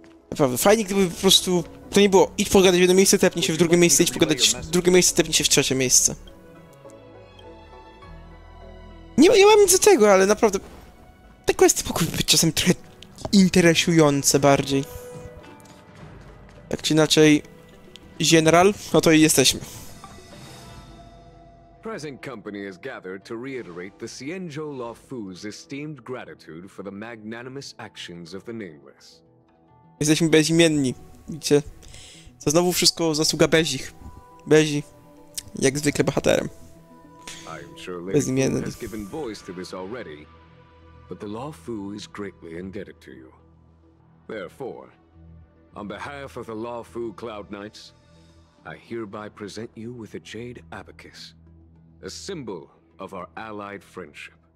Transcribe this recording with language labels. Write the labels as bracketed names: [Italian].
[Polish] Naprawdę, fajnie gdyby po prostu to nie było. Idź pogadać w jedno miejsce, tepnij się w drugie miejsce, idź pogadać w drugie miejsce, tepnij się w trzecie miejsce. Nie mam nic do tego, ale naprawdę... Te questy mogły być czasem trochę interesujące bardziej. Tak czy inaczej... General, no to i jesteśmy. [English] Present company is gathered to reiterate the Sienjo Lawfu's esteemed gratitude for the magnanimous actions of the nameless. [Polish] Jesteśmy bezimienni, widzicie? To znowu wszystko zasługa Bezich. Bezi, jak zwykle bohaterem. Bezimienny. [English] Has given voice to this already, but the Lawfu is greatly indebted to you. Therefore, on behalf of the Lawfu Cloud Knights, I hereby present you with a jade abacus. A symbol of our allied friendship.